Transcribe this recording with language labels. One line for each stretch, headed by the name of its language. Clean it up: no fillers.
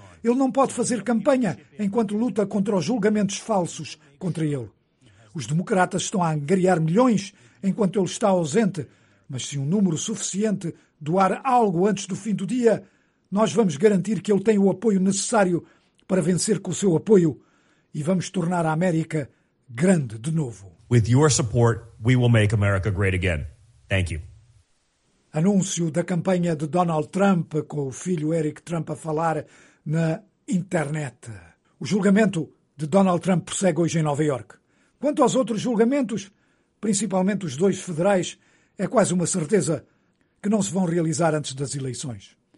Portuguese: Ele não pode fazer campanha enquanto luta contra os julgamentos falsos contra ele. Os democratas estão a angariar milhões enquanto ele está ausente, mas se um número suficiente doar algo antes do fim do dia, nós vamos garantir que ele tem o apoio necessário para vencer com o seu apoio. E vamos tornar a América grande de novo.
English: With your support, we will make America great again. Thank you.
Portuguese: Anúncio da campanha de Donald Trump com o filho Eric Trump a falar na internet. O julgamento de Donald Trump prossegue hoje em Nova York. Quanto aos outros julgamentos, principalmente os dois federais, é quase uma certeza que não se vão realizar antes das eleições.